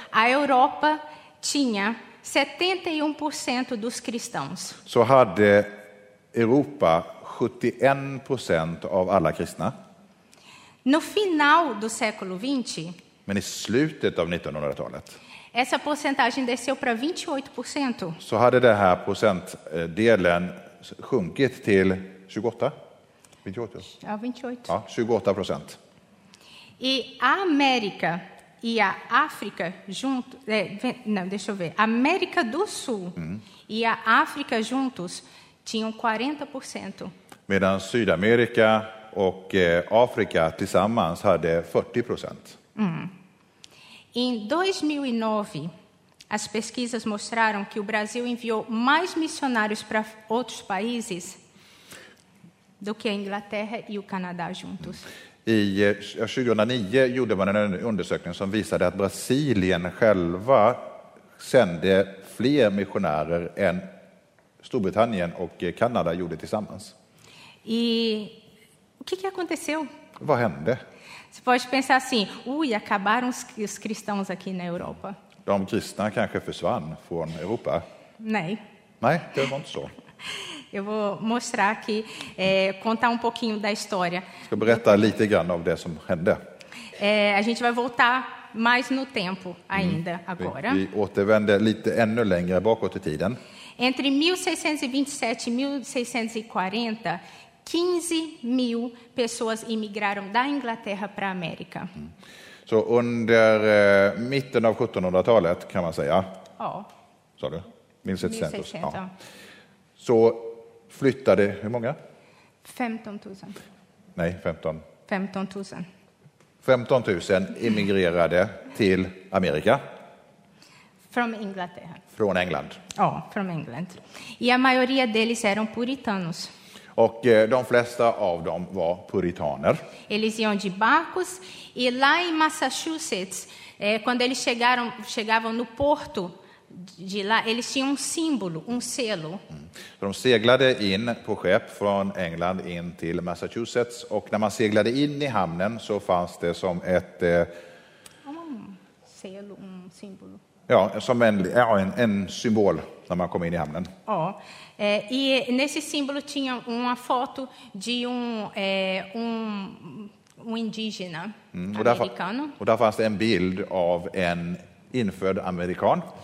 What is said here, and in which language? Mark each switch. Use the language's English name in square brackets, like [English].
[Portuguese] a Europa tinha 71% dos cristãos. [Swedish] Så hade Europa 71% av alla kristna. [Portuguese] No final do século 20, [Swedish] men i slutet av 1900-talet, [Portuguese] essa porcentagem desceu para 28%. [Swedish] Så hade det här procentdelen sjunkit till 28. 28. Ja, 28. Ja, 28%. [Portuguese] E a América e a África junto, não, deixa eu ver, América do Sul e a África juntos tinham 40%. [Swedish] Medan Sydamerika och Afrika tillsammans hade 40%. [Portuguese] Em 2009, as pesquisas mostraram que o Brasil enviou mais missionários para outros países do que a Inglaterra e o Canadá juntos. [Swedish] I 2009 gjorde man en undersökning som visade att Brasilien själva sände fler missionärer än Storbritannien och Kanada gjorde tillsammans. [Portuguese] E o que aconteceu? [Swedish] Vad hände? [Portuguese] Você pode pensar assim, ui, acabaram os cristãos aqui na Europa. [Swedish] De kristna kanske försvann från Europa? Nej. Nej, det var inte så. [Portuguese] Eu vou mostrar aqui, contar pouquinho da história. [Swedish] Ska berätta lite grann av det som hände. [Portuguese] A gente vai voltar mais no tempo ainda agora. [Swedish] Vi återvänder lite ännu längre bakåt i tiden. [Portuguese] Entre 1627 e 1640, 15 mil pessoas emigraram da Inglaterra para a América. [Swedish] Så under mitten av 1700-talet kan man säga. Ja. Sa du? 1600. Ja. Så flyttade hur många? 15 000. Nej, 15. 15 000. 15 000 emigrerade till Amerika. [English] From Inglaterra. [Swedish] Från England. [English] Ja, from England. [Portuguese] E a maioria deles eram puritanos. [Swedish] Och de flesta av dem var puritaner. [Portuguese] Eles iam de barcos e lá em Massachusetts, quando eles chegavam no porto de lá, eles tinham um símbolo, um selo. [Swedish] De seglade in på skepp från England in till Massachusetts och när man seglade in i hamnen så fanns det som ett [Portuguese] selo, um símbolo. [Swedish] Ja, som en symbol när man kom in i hamnen. Ja. [Portuguese] E nesse símbolo tinha uma foto de um indígena americano. [Swedish] Och där fanns det en bild av en infödd amerikan.